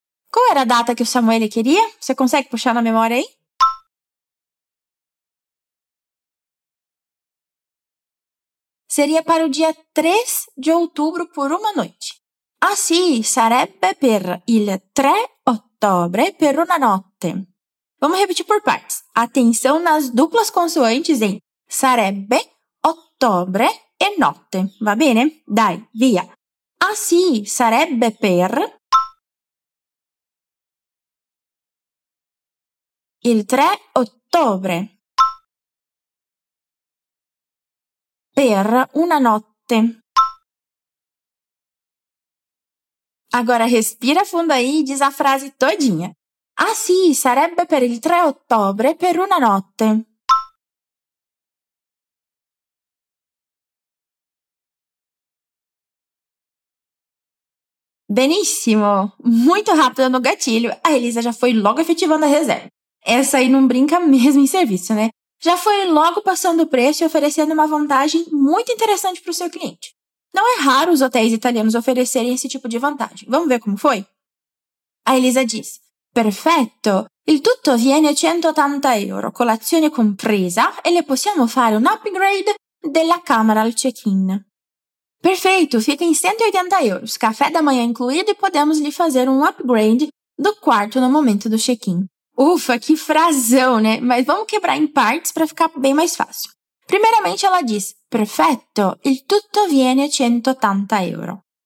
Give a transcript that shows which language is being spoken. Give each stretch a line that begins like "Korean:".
Portuguese: Qual era a data che o Samuele queria? Você consegue puxar na memória aí? Seria para o dia 3 de outubro por uma noite.
Italian: Ah, sì, sarebbe per il 3 ottobre per una notte.
Portuguese: Vamos repetir por partes. Atenção nas duplas consoantes em sarebbe, ottobre e notte.
Italian: Va bene? Dai, via. Ah, sì, sarebbe per il 3 ottobre. Per una notte.
Portuguese: Agora respira fundo aí e diz a frase todinha.
Italian: Ah sì, sarebbe per il 3 ottobre per una notte. Benissimo!
Portuguese: Muito rápido no gatilho, a Elisa já foi logo efetivando a reserva. Essa aí não brinca mesmo em serviço, né? Já foi logo passando o preço e oferecendo uma vantagem muito interessante para o seu cliente. Não é raro os hotéis italianos oferecerem esse tipo de vantagem. Vamos ver como foi? A Elisa diz,
Italian: Perfetto, il tutto viene 180 euro, colazione compresa, e le possiamo fare un upgrade della camera al check-in.
Portuguese: Perfeito, fica em 180 euros, café da manhã incluído e podemos lhe fazer um upgrade do quarto no momento do check-in. Ufa, que frasão, né? Mas vamos quebrar em partes para ficar bem mais fácil. Primeiramente, ela diz,
Italian: Perfetto, il tutto viene 180 euro.